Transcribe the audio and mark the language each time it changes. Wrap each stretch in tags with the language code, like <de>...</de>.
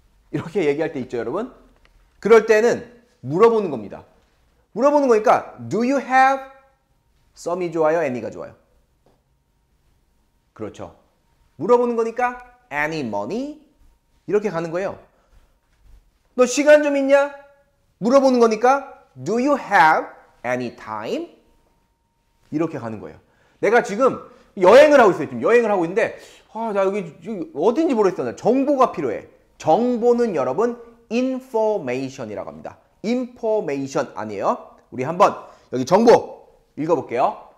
<ko>이렇게 얘기할 때 있죠 여러분? 그럴 때는 물어보는 겁니다. 물어보는 거니까</ko> <en>Do you have some</en> <ko>이 좋아요? any가 좋아요? 그렇죠. 물어보는 거니까</ko> <en>any money?</en> <ko>이렇게 가는 거예요. 너 시간 좀 있냐? 물어보는 거니까</ko> <en>Do you have any time?</en> <ko>이렇게 가는 거예요. 내가 지금 여행을 하고 있어요. 지금 여행을 하고 있는데 나 여기 어딘지 모르겠어. 정보가 필요해. 정보는 여러분 information이라고 합니다. information 아니에요. 우리 한번 여기 정보 읽어볼게요.</ko>